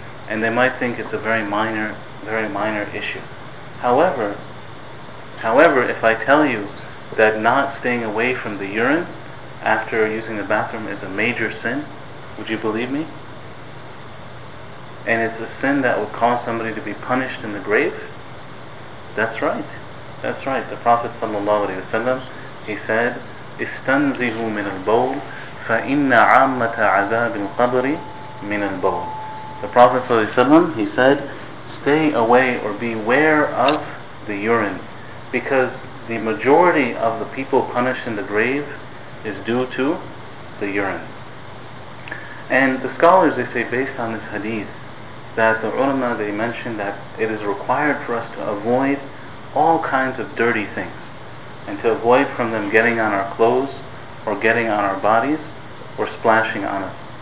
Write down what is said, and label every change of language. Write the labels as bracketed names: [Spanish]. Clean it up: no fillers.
[English] And they might think it's a very minor issue. However, if I tell you that not staying away from the urine after using the bathroom is a major sin, would you believe me? And it's a sin that would cause somebody to be punished in the grave? That's right. The Prophet ﷺ, he said, [Arabic] استنزهوا من البول فَإِنَّ عَامَّةَ عَذَابِ الْقَبْرِ مِنَ الْبَوْلِ. [English] The Prophet ﷺ, he said, stay away or beware of the urine, because the majority of the people punished in the grave is due to the urine. And the scholars, they say, based on this hadith, that the ulama, they mentioned that it is required for us to avoid all kinds of dirty things, and to avoid from them getting on our clothes, or getting on our bodies, or splashing on us.